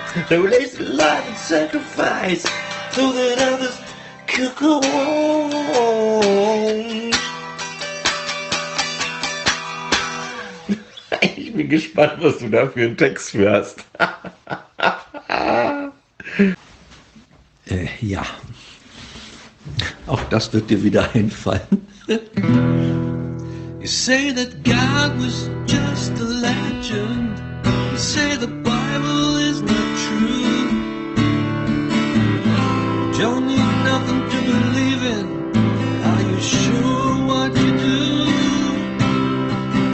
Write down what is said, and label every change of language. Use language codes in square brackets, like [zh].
[en] They wasted life and sacrifice so that others could go on. [de] Ich bin gespannt, was du da für einen Text für hast. Ja. Auch das wird dir wieder einfallen. [en] You say that God was just a legend. You say the Bible is not true. Don't need nothing to believe in. Are you sure what you do?